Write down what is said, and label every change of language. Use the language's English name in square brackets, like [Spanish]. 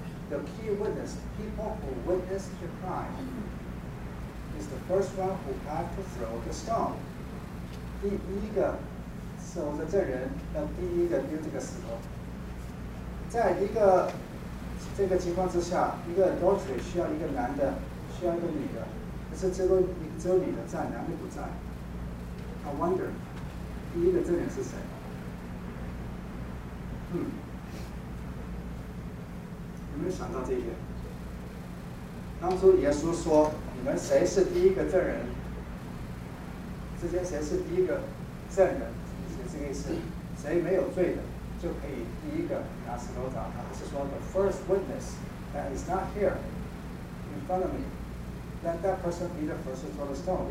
[English] The key witness, people who witness the crime, is the first one who have to throw the stone. [Chinese] 第一个。手的证人要第一个丢这个石头。在一个这个情况之下，一个 adultery 需要一个男的，需要一个女的，可是只有女的在，男的不在。 [English] I wonder， [Chinese] 第一个证人是谁？有没有想到这一点？当初耶稣说：“你们谁是第一个证人？” 之前谁是第一个证人？这个意思，谁没有罪的就可以第一个拿石头砸他。是说 [English] the first witness that is not here in front of me， let that person be the first to throw the stone。